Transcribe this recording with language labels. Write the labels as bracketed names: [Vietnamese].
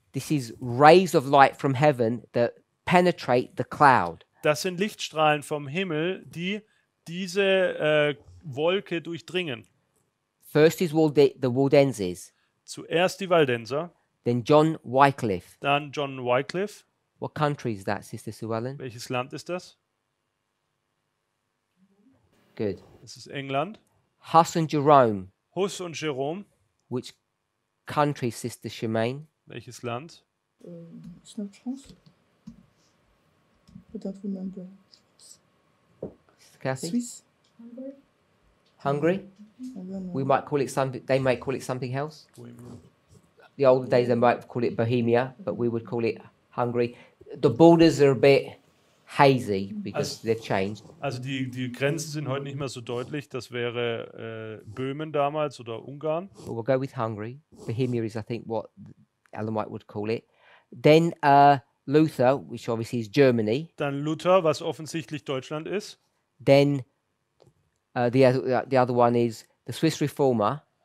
[English] This is rays of light from heaven that penetrate the cloud. [German] Das sind Lichtstrahlen vom Himmel, die diese Wolke durchdringen. [English] First is the Waldenses. [German] Zuerst die Waldenser. [English] Then John Wycliffe. [German] Dann John Wycliffe. [English] What country is that, Sister Sue Ellen? [German] Welches Land ist das? [English] Good. [German] Das ist England. [English] Huss and Jerome. [German] Huss und Jerome. [English] Which country, Sister Shemaine? [German] Welches Land? [English] It's not France. I don't remember. Cassie? Swiss. Hungary? Hungary? We might call it something. They might call it something else. The older days, they might call it Bohemia, but we would call it Hungary. The borders are a bit hazy because they've changed. [German] Also die Grenzen sind heute nicht mehr so deutlich. Das wäre Böhmen damals oder Ungarn. [English] But we'll go with Hungary. Bohemia is, I think, what Ellen White would call it. Then Luther, which obviously is Germany. [German] Dann Luther, was offensichtlich Deutschland ist. [English] Then the other one is the Swiss Reformer.